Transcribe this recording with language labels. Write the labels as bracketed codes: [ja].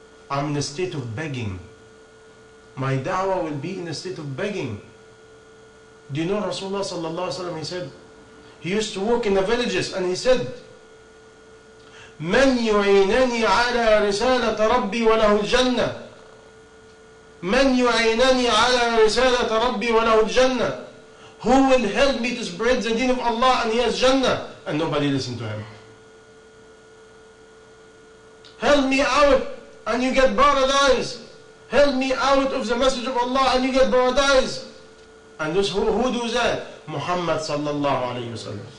[en] I'm in a state of begging. My da'wah will be in a state of begging. Do you know Rasulullah sallallahu alaihi wasallam, he said, he used to walk in the villages and he said, [ar] من يعينني على رسالة ربي وله الجنة. من يعينني على رسالة ربي وله الجنة. [en] Who will help me to spread the deen of Allah and he has Jannah? And nobody listened to him. Help me out and you get paradise. Help me out of the message of Allah and you get paradise. And this, who do that? Muhammad sallallahu alayhi wa sallam.